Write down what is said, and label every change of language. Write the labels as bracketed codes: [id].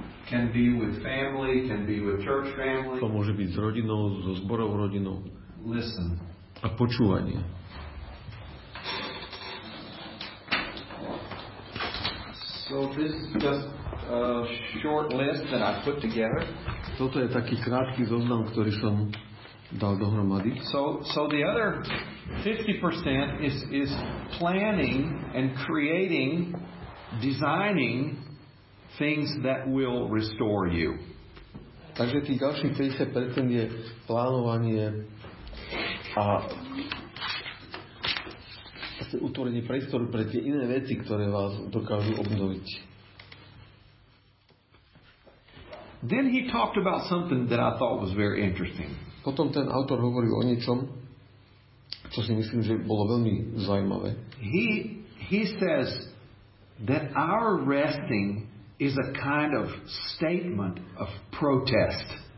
[en] Can be with family, can be with church family. [sk] To môže byť s rodinou, so zborovou rodinou. [en] Listen. [sk] A počúvanie. [en] So this is just a short list that I put together. [sk] Toto je taký krátky zoznam, ktorý som dal dohromady. [en] So the other 50% is planning and creating, designing things that will restore you. [sk] Takže tých ďalších 50% je plánovanie a utvorenie priestoru pre tie iné veci, ktoré vás dokážu obnoviť. [en] Then he talked about something that I thought was very interesting. [sk] Potom ten autor hovorí o niečom, čo si myslím, že bolo veľmi zaujímavé. [en] He says that our resting is a kind of statement of protest.